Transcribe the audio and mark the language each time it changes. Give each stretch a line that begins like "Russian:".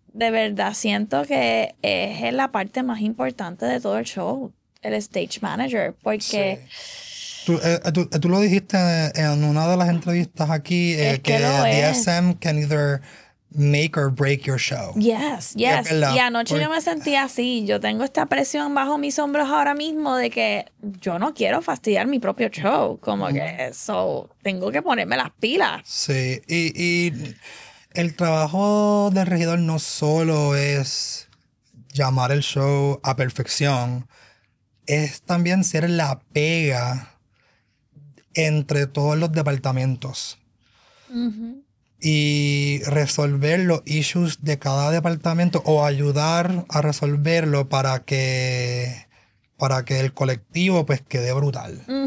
Spanish: De verdad siento que es la parte más importante de todo el show, el stage manager, porque Sí. Tú lo dijiste en una de las entrevistas aquí, es que que lo es.
English: DSM can either make or break your show. Yes,
Spanish: Y es
English: yes. Y
Spanish: verdad, anoche yo porque me sentí así. Yo tengo esta presión bajo mis hombros ahora mismo de que yo no quiero fastidiar mi propio show. Como que eso, tengo que ponerme las pilas. Sí, y el trabajo del regidor no solo es llamar el show a perfección, es también ser la pega entre todos los departamentos y resolver los issues de cada departamento o ayudar a resolverlo para que el colectivo pues quede brutal.